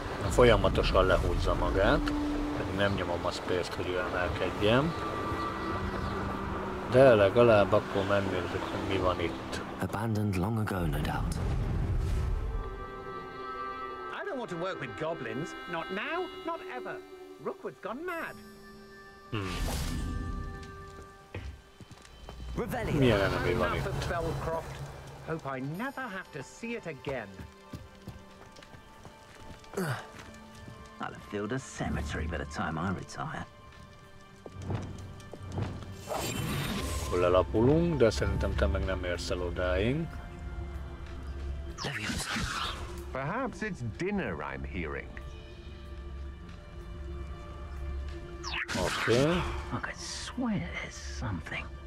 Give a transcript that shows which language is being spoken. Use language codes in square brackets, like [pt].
[hu] Folyamatosan lehúzza magát, pedig nem nyomom a space-t, hogy emelkedjem. De legalább akkor megnézzük, hogy mi van itt. [en] Abandoned long ago, no doubt. I don't want to work with goblins. Not now, not ever. Rookwood's gone mad. [hu] Milyen enemy van itt? [en] Hope I never have to see it again. I'll have filled a cemetery by the time I retire. [hu] Akkor lelapulunk, de szerintem te meg nem érsz el odáig. [en] Perhaps it's dinner I'm hearing. Okay. I could swear there's something.